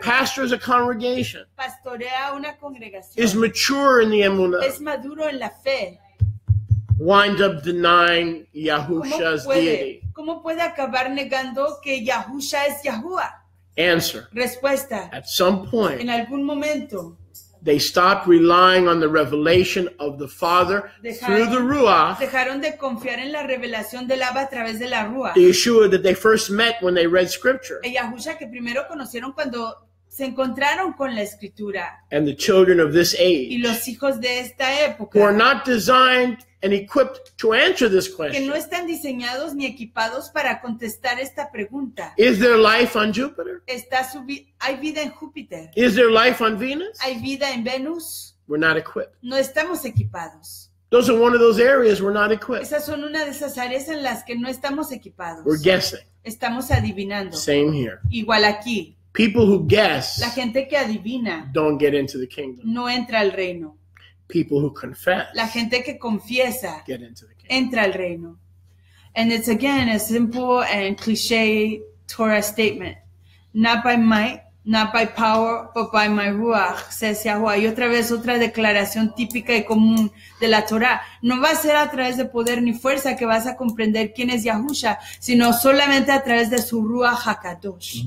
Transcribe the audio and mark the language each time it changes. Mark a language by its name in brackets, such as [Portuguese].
[English] Pastors a congregation. [Spanish] Pastorea una congregación. [English] Is mature in the emunah. [Spanish] Es maduro en la fe. [English] Wind up denying Yahusha's deity. [Spanish] ¿Cómo puede acabar negando que Yahusha es Yahuwah? [English] Answer. [Spanish] Respuesta. [English] At some point. [Spanish] En algún momento. [English] They stopped relying on the revelation of the Father through the Ruach. [Spanish] Dejaron de confiar en la revelación del Abba a través de la Ruach. [English] The Yeshua that they first met when they read Scripture. [Spanish] El Yahusha que primero conocieron cuando se encontraron con la Escritura. [English] And the children of this age. [Spanish] Y los hijos de esta época. [English] Who are not designed and equipped to answer this question. [Spanish] Que no están diseñados ni equipados para contestar esta pregunta. [English] Is there life on Jupiter? [Spanish] Hay vida en Júpiter. [English] Is there life on Venus? [Spanish] Hay vida en Venus. [English] We're not equipped. [Spanish] No estamos equipados. [English] Those are one of those areas we're not equipped. [Spanish] Esas son una de esas áreas en las que no estamos equipados. [English] We're guessing. [Spanish] Estamos adivinando. [English] Same here. [Spanish] Igual aquí. [English] People who guess. [Spanish] La gente que adivina. [English] Don't get into the kingdom. [Spanish] No entra al reino. [English] people who confess. [Spanish] La gente que confiesa. [English] Get into the kingdom. [Spanish] Entra al reino. [English] And it's again a simple and cliche Torah statement. Not by might, not by power, but by my ruach, says Yahweh. [Spanish] Y otra vez otra declaración típica y común de la Torah. No va a ser a través de poder ni fuerza que vas a comprender quién es Yahusha, sino solamente a través de su ruach hakadosh.